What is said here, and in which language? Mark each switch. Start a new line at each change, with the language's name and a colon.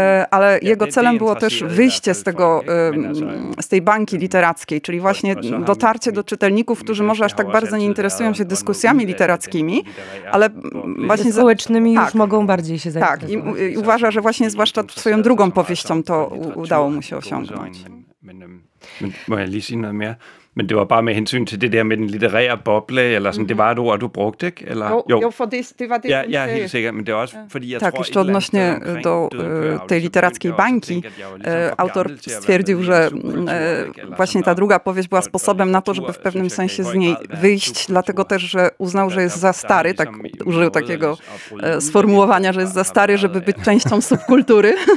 Polish: ale jego celem było też wyjście z tego, z tej bańki literackiej, czyli właśnie dotarcie do czytelników, którzy może aż tak bardzo nie interesują się dyskusjami literackimi, ale właśnie... Społecznymi już mogą bardziej się zajmować. Tak, i uważa, że właśnie zwłaszcza swoją drugą powieścią to udało mu się osiągnąć. Moja lisina mia...
Danish: Men det var bare med hensyn til det der med den litterære boble, eller sådan, mm-hmm. det var et ord, du brugte, ikke? Eller, jo, for det var det. Ja, ja, helt sikkert, men det var også, fordi jeg tak, tror...
Polish: Tak, jeszcze odnośnie do tej literackiej bańki, autor stwierdził, że właśnie ta druga powieść była sposobem na to, żeby w pewnym sensie z niej wyjść, dlatego też, że uznał, że jest za stary, tak użył takiego sformułowania, że jest za stary, żeby być częścią subkultury,